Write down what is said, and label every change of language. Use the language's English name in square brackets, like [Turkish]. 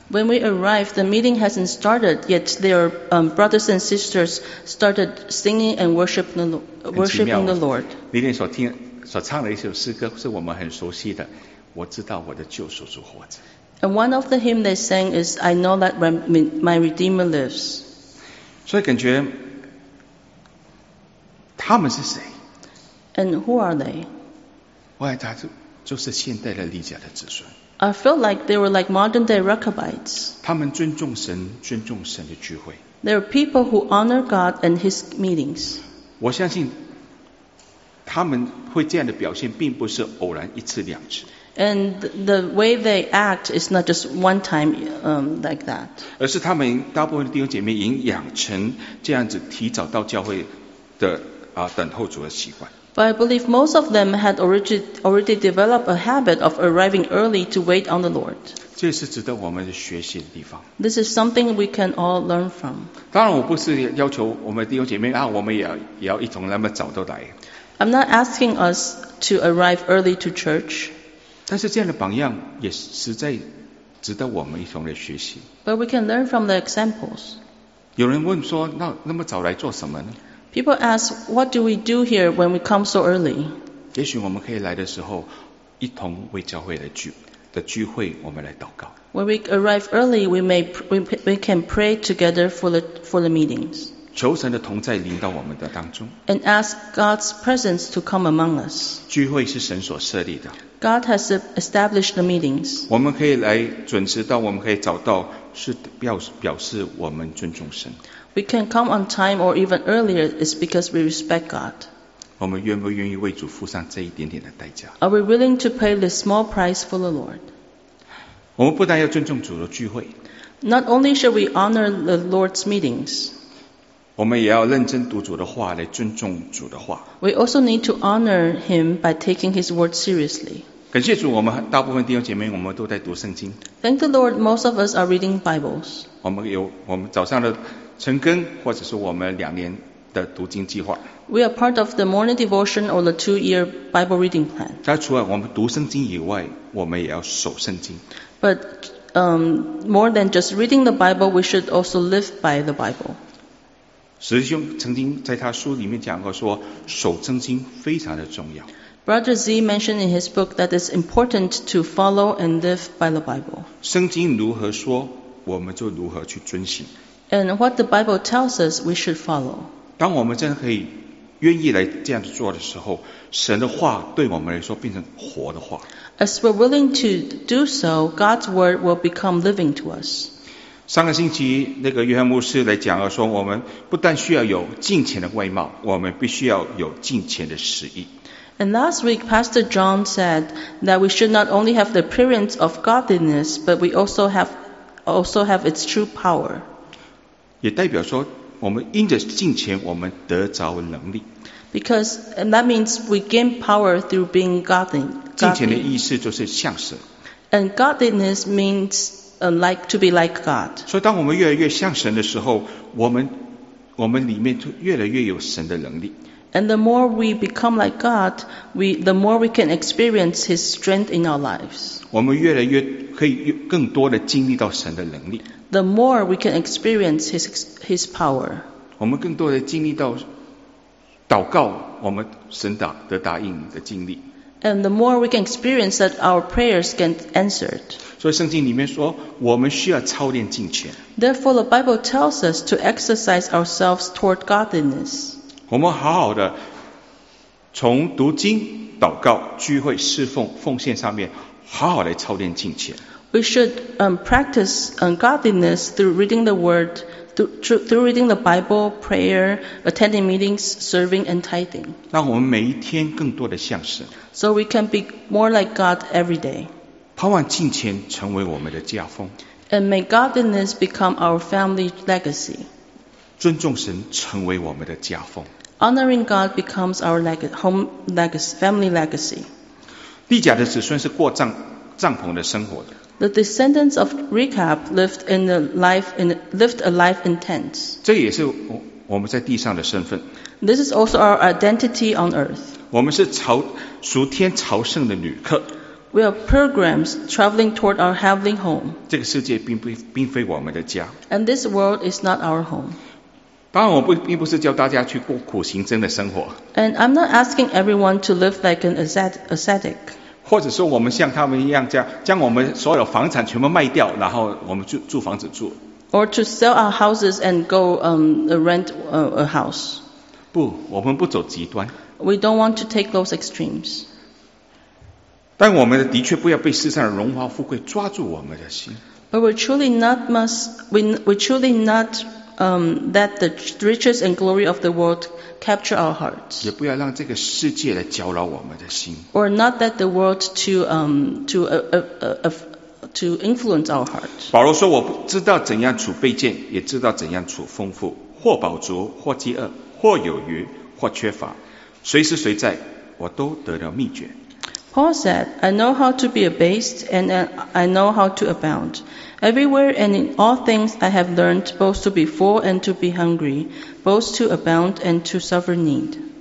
[English] When we arrived, the meeting hasn't started yet. Their brothers and sisters started singing and worshiping the Lord. [Chinese] 里面所唱的一首诗歌是我们很熟悉的，我知道我的救赎主活着。 [English] And one of the hymns they sang is "I know that my Redeemer lives." [Chinese] 所以感觉他们是谁？ [English] And who are they? [Chinese] 外加就是现代的利甲的子孙。 [English] I felt like they were like modern day Rechabites. [Chinese] 他们尊重神，尊重神的聚会。 [English] There are people who honor God and His meetings. [Chinese] 我相信他们会这样的表现，并不是偶然一次两次。 [English] And the way they act is not just one time, like that. [Chinese] 而是他们大部分的弟兄姐妹已养成这样子提早到教会的等候主的习惯。 [English] But I believe most of them had already developed a habit of arriving early to wait on the Lord. [Chinese] 这是值得我们学习的地方。 [English] This is something we can all learn from. [Chinese] 当然，我不是要求我们弟兄姐妹啊，我们也要一同那么早都来。 [English] I'm not asking us to arrive early to church. [Chinese] 但是这样的榜样也实在值得我们一同来学习。 [English] But we can learn from the examples. [Chinese] 有人问说，那么早来做什么呢？ [English] People ask, what do we do here when we come so early? [Chinese] 也许我们可以来的时候，一同为教会的聚会，我们来祷告。 [English] When we arrive early, we can pray together for the meetings. [Chinese] 求神的同在临到我们的当中。 [English] And ask God's presence to come among us. [Chinese] 聚会是神所设立的。 [English] God has established the meetings. [Chinese] 我们可以来准时到，我们可以早到，是表示我们尊重神。 [English] We can come on time or even earlier is because we respect God. [Chinese] 我们愿不愿意为主付上这一点点的代价？ [English] Are we willing to pay this small price for the Lord? [Chinese] 我们不但要尊重主的聚会， [English] Not only should we honor the Lord's meetings, [Chinese] 我们也要认真读主的话来尊重主的话。 [English] We also need to honor him by taking his word seriously. [Chinese] 感谢主，我们大部分弟兄姐妹我们都在读圣经。 [English] Thank the Lord, most of us are reading Bibles. [Chinese] 我们早上的晨更或者是我们两年的读经计划。 [English] We are part of the morning devotion or the two-year Bible reading plan. [Chinese] 但除了我们读圣经以外，我们也要守圣经。 [English] But more than just reading the Bible, we should also live by the Bible. [Chinese] 史弟兄曾经在他书里面讲过说，守圣经非常的重要。 [English] Brother Z mentioned in his book that it's important to follow and live by the Bible. [Chinese] 圣经如何说，我们就如何去遵行。 [English] And what the Bible tells us, we should follow. [Chinese] 当我们真的可以愿意来这样做的时候，神的话对我们来说变成活的话。 [English] As we're willing to do so, God's word will become living to us. [Chinese] 上个星期那个约翰牧师来讲了说，我们不但需要有敬虔的外貌，我们必须要有敬虔的实意。 [English] And last week, Pastor John said that we should not only have the appearance of godliness, but we also have its true power. [Chinese] 也代表说，我们因着敬虔，我们得着能力。 [English] Because that means we gain power through being godly. [Chinese] 敬虔的意思就是像神。 [English] And godliness means like to be like God. [Chinese] 所以，当我们越来越像神的时候，我们里面就越来越有神的能力。 [English] And the more we become like God, the more we can experience His strength in our lives. [Chinese] 我们越来越可以更多的经历到神的能力。 [English] The more we can experience his power. [Chinese] 我们更多的经历到祷告，我们神得答应的经历。 [English] And the more we can experience that our prayers get answered. [Chinese] 所以圣经里面说，我们需要操练敬虔。 [English] Therefore, the Bible tells us to exercise ourselves toward godliness. [Chinese] 我们好好的从读经、祷告、聚会、侍奉、奉献上面，好好的操练敬虔。 [English] We should practice godliness through reading the word, through reading the Bible, prayer, attending meetings, serving and tithing. [Chinese] 让我们每一天更多的像神。 [English] So we can be more like God every day. [Chinese] 盼望敬虔成为我们的家风。 [English] And may godliness become our family legacy. [Chinese] 尊重神成为我们的家风。 [English] Honoring God becomes our family legacy. [Chinese] 利甲的子孙是过帐篷的生活的。 [English] The descendants of Rechab lived a life in tents. [Chinese] 这也是我们在地上的身份。 [English] This is also our identity on earth. [Chinese] 我们是朝圣的旅客。 [English] We are pilgrims traveling toward our heavenly home. [Chinese] 这个世界并非我们的家。 [English] And this world is not our home. [Chinese] 当然，我并不是叫大家去过苦行僧的生活。 [English] And I'm not asking everyone to live like an ascetic. [Chinese] 或者说我们像他们一样将我们所有房产全部卖掉，然后我们住房子。 [English] Or to sell our houses and go rent a house. [Chinese] 不，我们不走极端。 [English] We don't want to take those extremes. [Chinese] 但我们的确不要被世上的荣华富贵抓住我们的心。 [English] But we truly not must we truly not that the riches and glory of the world capture our hearts. [Chinese] 也不要让这个世界来搅扰我们的心。 [English] Or not that the world to influence our hearts. [Chinese] 保罗说：“我知道怎样处卑贱，也知道怎样处丰富，或饱足，或饥饿，或有余，或缺乏，随时随在，我都得了秘诀。” [English] Paul said, "I know how to be abased, and I know how to abound. Everywhere and in all things, I have learned both to be full and to be hungry, both to abound and to suffer need."